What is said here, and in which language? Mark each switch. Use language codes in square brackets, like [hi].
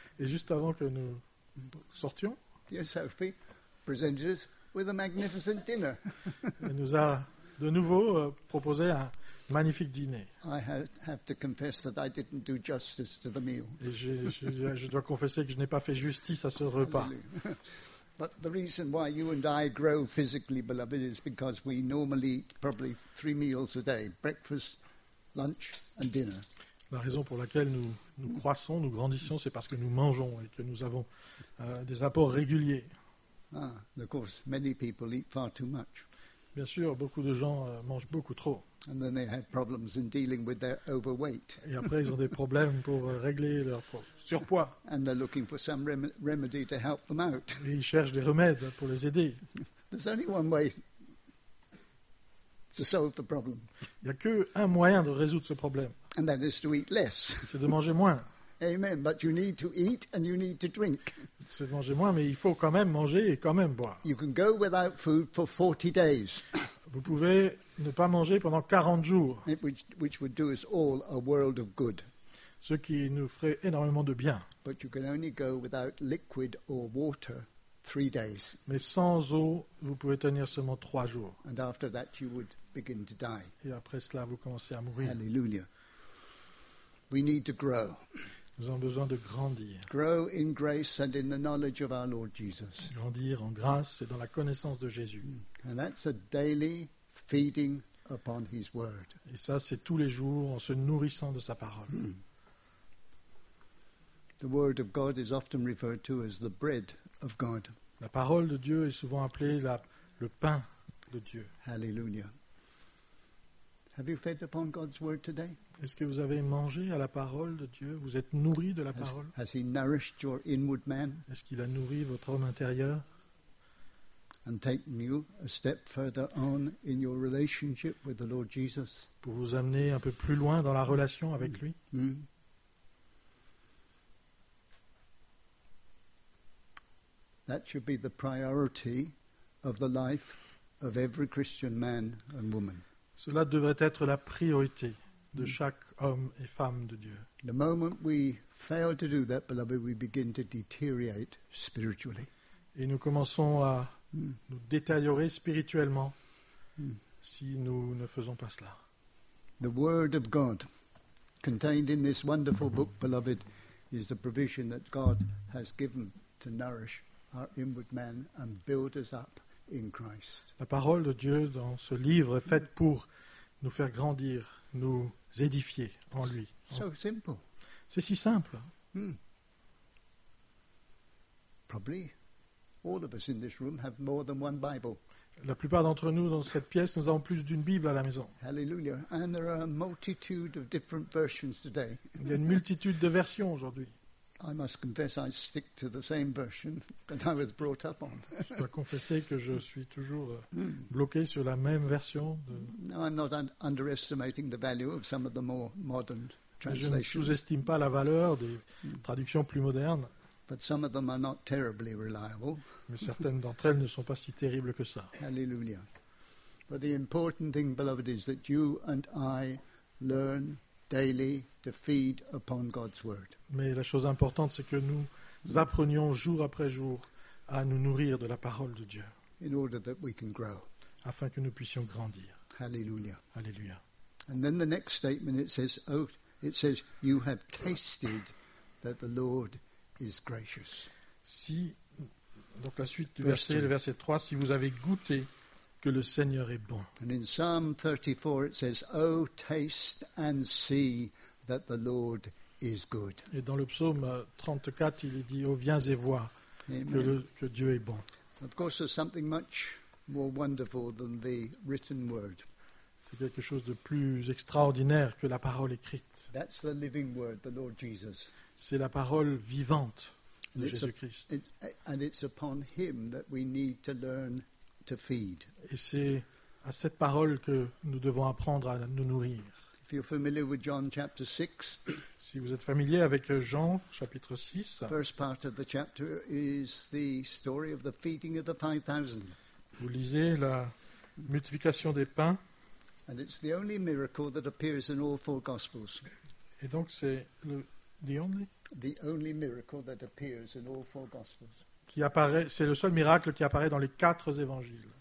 [fr] Et juste avant que nous sortions. [en] dear Sophie presented us with a magnificent dinner. [fr] Elle nous a de nouveau proposé un magnifique dîner. [en] I have to confess that I didn't do justice to the meal. [fr] Et je dois confesser que je n'ai pas fait justice à ce repas. [en] But the reason why you and I grow physically, beloved, is because we normally eat probably three meals a day: breakfast, lunch, and dinner. [fr] La raison pour laquelle nous croissons, nous grandissons, c'est parce que nous mangeons et que nous avons des apports réguliers. [en] Ah, of course, many people eat far too much. [fr] Bien sûr, beaucoup de gens mangent beaucoup trop. [en] And then they have problems in dealing with their overweight. [fr] Et après, ils ont des problèmes pour régler leur surpoids. [en] And they're looking for some remedy to help them out. [fr] Et ils cherchent des remèdes pour les aider. [en] There's only one way to solve the problem. [fr] Il n'y a qu'un moyen de résoudre ce problème. [en] And that is to eat less. [fr] C'est de manger moins. [en] Amen. But you need to eat and you need to drink. [fr] C'est de manger moins, mais il faut quand même manger et quand même boire. [en] You can go without food for 40 days. [fr] Vous pouvez ne pas manger pendant 40 jours. [en] Which would do us all a world of good. [fr] Ce qui nous ferait énormément de bien. [en] But you can only go without liquid or water 3 days. [fr] Mais sans eau, vous pouvez tenir seulement 3 jours. [en] And after that you would begin to die. [fr] Et après cela, vous commencez à mourir. [en] Hallelujah. We need to grow. [fr] Nous avons besoin de grandir. [en] Grow in grace and in the knowledge of our Lord Jesus. [fr] Grandir en grâce et dans la connaissance de Jésus. [en] And that's a daily feeding upon his word. [fr] Et ça, c'est tous les jours en se nourrissant de sa parole. [en] The word of God is often referred to as the bread of God. [fr] La parole de Dieu est souvent appelée le pain de Dieu. [en] Hallelujah. Have you fed upon God's word today? [fr] Est-ce que vous avez mangé à la parole de Dieu? Vous êtes nourri de la parole? [en] Has he nourished your inward man? [fr] Est-ce qu'il a nourri votre homme intérieur? [en] And taken you a step further on in your relationship with the Lord Jesus? [fr] Pour vous amener un peu plus loin dans la relation avec lui? [en] That should be the priority of the life of every Christian man and woman. [fr] Cela devrait être la priorité de chaque homme et femme de Dieu. [en] The moment we fail to do that, beloved, we begin to deteriorate spiritually. [fr] Et nous commençons à nous détériorer spirituellement si nous ne faisons pas cela. [en] The word of God contained in this wonderful book, beloved, is the provision that God has given to nourish our inward man and build us up in Christ. [fr] La parole de Dieu dans ce livre est faite pour nous faire grandir, nous édifier en lui. [en] So simple. [fr] C'est si simple. [en] Probably all of us in this room have more than one Bible. [fr] La plupart d'entre nous dans cette pièce, nous avons plus d'une Bible à la maison. [en] Hallelujah. And there are a multitude of different versions today. [fr] Il y a une multitude de versions aujourd'hui. [en] I must confess I stick to the same version that I was brought up on. [fr] Je dois confesser que je suis toujours bloqué sur la même version. [en] No, I'm not underestimating the value of some of the more modern translations. [fr] Je ne sous-estime pas la valeur des traductions plus modernes. [en] But some of them are not terribly reliable. [fr] Mais certaines d'entre elles ne sont pas si terribles que ça. [en] Hallelujah. But the important thing, beloved, is that you and I learn daily to feed upon God's word. [fr] Mais la chose importante, c'est que nous apprenions jour après jour à nous nourrir de la parole de Dieu. [en] In order that we can grow. [fr] Afin que nous puissions grandir. [en] Hallelujah. [fr] Alléluia. [en] And then the next statement, it says, you have tasted that the Lord is gracious. [fr] Si, donc la suite du verset, le verset 3, si vous avez goûté que le Seigneur est bon. [en] And in Psalm 34 it says, oh, taste and see that the Lord is good. [fr] Et dans le psaume 34, il est dit, oh, viens et vois que Dieu est bon. [en] Of course, there's something much more wonderful than the written word. [fr] C'est quelque chose de plus extraordinaire que la parole écrite. [en] That's the living word, the Lord Jesus. [fr] C'est la parole vivante de Jésus-Christ. [en] And it's upon him that we need to learn. [fr] Et c'est à cette parole que nous devons apprendre à nous nourrir. [en] If you're familiar with John chapter 6, [fr] si vous êtes familier avec Jean chapitre 6, [en] first part of the chapter is the story of the feeding of the 5,000. [fr] Vous lisez la multiplication des pains. [en] And it's the only miracle that appears in all four gospels. [fr] Et donc c'est [en] the only miracle that appears in all four gospels. [fr] qui apparaît, c'est le seul miracle qui apparaît dans les quatre évangiles.